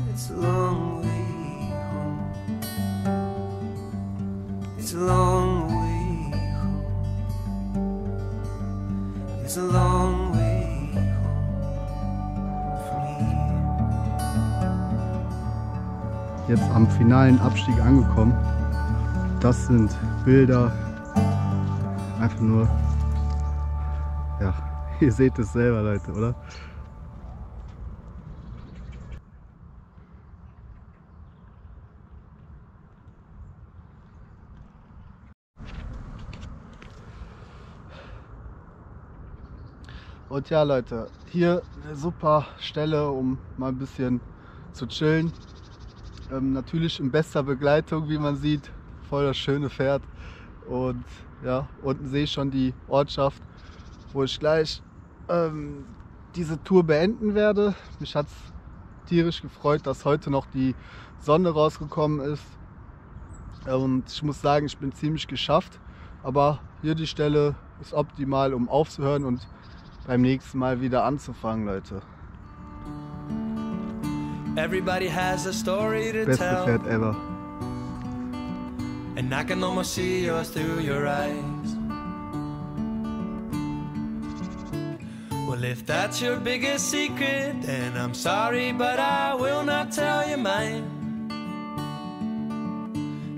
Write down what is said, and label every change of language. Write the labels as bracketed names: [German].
[English] It's a long way home. It's a long way home. It's a long way home from here. [German] Jetzt am finalen Abstieg angekommen. Das sind Bilder. Einfach nur. Ja, ihr seht es selber, Leute, oder? Und ja, Leute, hier eine super Stelle, um mal ein bisschen zu chillen. Natürlich in bester Begleitung, wie man sieht, voll das schöne Pferd. Und ja, unten sehe ich schon die Ortschaft, wo ich gleich diese Tour beenden werde. Mich hat es tierisch gefreut, dass heute noch die Sonne rausgekommen ist. Und ich muss sagen, ich bin ziemlich geschafft. Aber hier die Stelle ist optimal, um aufzuhören und beim nächsten Mal wieder anzufangen, Leute. [English] Everybody has a story to [German] Beste [English] tell. [German] Beste Pferd ever. [English] And I can almost see yours through your eyes. Well, if that's your biggest secret, then I'm sorry, but I will not tell you mine.